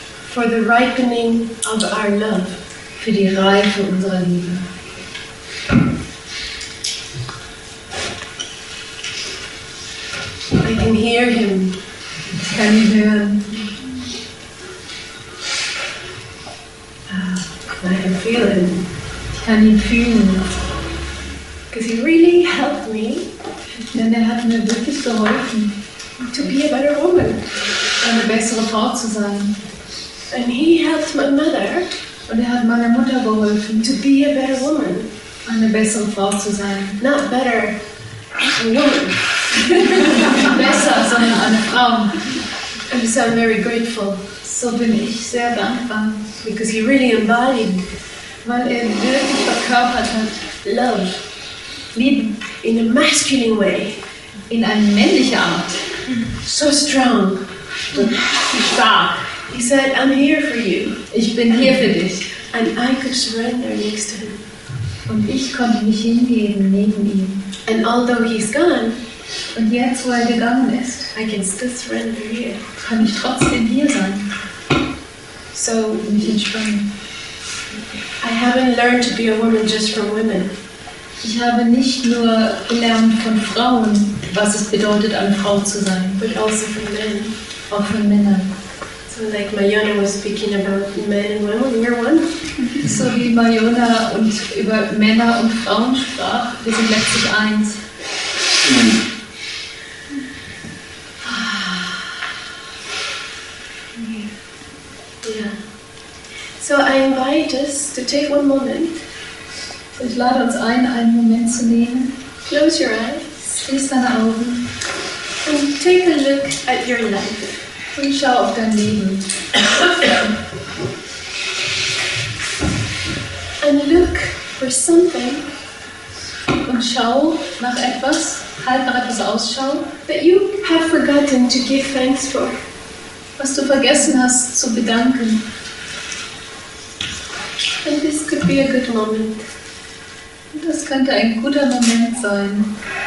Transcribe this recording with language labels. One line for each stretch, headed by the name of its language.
English: for the ripening of our love.
German: Für die Reife unserer Liebe.
English: I can hear him.
German: Kann ihn hören.
English: And I can feel him.
German: Ich kann ihn fühlen.
English: Because he really helped me.
German: Denn er hat mir wirklich geholfen.
English: To be a better woman.
German: Eine bessere Frau zu sein.
English: And he helped my mother.
German: Und er hat meiner Mutter geholfen.
English: To be a better woman.
German: Eine bessere Frau zu sein.
English: Not better. A woman.
German: Besser, sondern eine Frau.
English: And so I'm very grateful.
German: So bin ich sehr dankbar.
English: Because he really embodied.
German: Weil er wirklich verkörpert hat.
English: Love.
German: Lieben.
English: In a masculine way.
German: In eine männliche Art.
English: So strong.
German: So stark.
English: He said, I'm here for you.
German: Ich bin hier für dich.
English: And I could surrender next to him.
German: Und ich konnte mich hingeben neben ihm.
English: And although he's gone,
German: und jetzt, wo er gegangen ist,
English: I can still surrender here.
German: Kann ich trotzdem hier sein.
English: So,
German: mich entspannen.
English: I haven't learned to be a woman just from women.
German: Ich habe nicht nur gelernt von Frauen, was es bedeutet, eine Frau zu sein,
English: but also from men.
German: Auch von Männern.
English: So like Mayona was speaking about men and women, we're one.
German: So wie Mayona und über Männer und Frauen sprach, wir sind letztlich eins.
English: So I invite us to take one moment.
German: Ich lade uns ein, einen Moment zu nehmen.
English: Close your eyes.
German: Schließ deine Augen.
English: And take a look at your life.
German: Und schau auf dein Leben.
English: And look for something.
German: Und schau nach etwas. Halt nach etwas Ausschau.
English: That you have forgotten to give thanks for.
German: Was du vergessen hast zu bedanken.
English: And this could be a good moment.
German: Das könnte ein guter Moment sein.